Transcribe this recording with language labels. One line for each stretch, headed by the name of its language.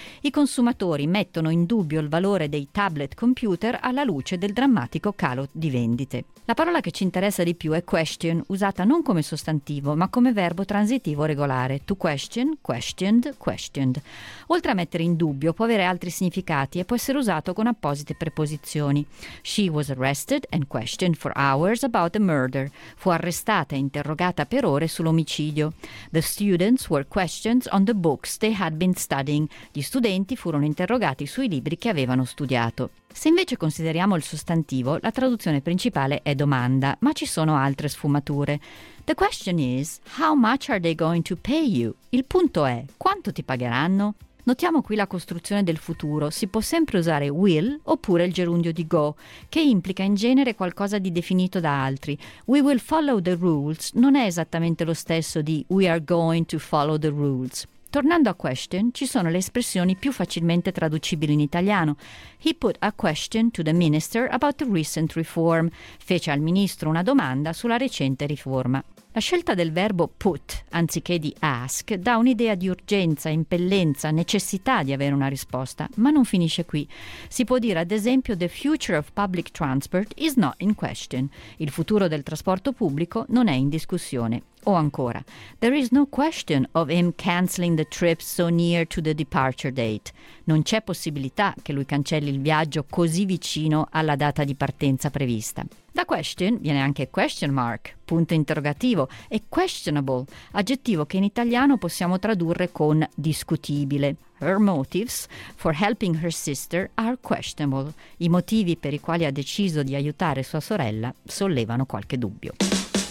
Italian: I consumatori mettono in dubbio il valore dei tablet computer alla luce del drammatico calo di vendite. La parola che ci interessa di più è question, usata non come sostantivo ma come verbo transitivo regolare:
English: to question, questioned, questioned.
Italian: Oltre a mettere in dubbio, può avere altri significati e può essere usato con apposite preposizioni.
English: She was arrested and questioned for hours about the murder.
Italian: Fu arrestata e interrogata per ore sull'omicidio.
English: The students were questioned on the books they had been studying.
Italian: Gli studenti furono interrogati sui libri che avevano studiato. Se invece consideriamo il sostantivo, la traduzione principale è domanda, ma ci sono altre sfumature.
English: The question is, how much are they going to pay you?
Italian: Il punto è, quanto ti pagheranno? Notiamo qui la costruzione del futuro. Si può sempre usare will oppure il gerundio di go, che implica in genere qualcosa di definito da altri.
English: We will follow the rules
Italian: non è esattamente lo stesso di
English: we are going to follow the rules.
Italian: Tornando a question, ci sono le espressioni più facilmente traducibili in italiano.
English: He put a question to the minister about the recent reform.
Italian: Fece al ministro una domanda sulla recente riforma. La scelta del verbo put anziché di ask dà un'idea di urgenza, impellenza, necessità di avere una risposta, ma non finisce qui. Si può dire ad esempio
English: the future of public transport is not in question.
Italian: Il futuro del trasporto pubblico non è in discussione. O ancora,
English: there is no question of him cancelling the trip so near to the departure date.
Italian: Non c'è possibilità che lui cancelli il viaggio così vicino alla data di partenza prevista. Da question viene anche question mark, punto interrogativo, e questionable, aggettivo che in italiano possiamo tradurre con discutibile.
English: Her motives for helping her sister are questionable.
Italian: I motivi per i quali ha deciso di aiutare sua sorella sollevano qualche dubbio.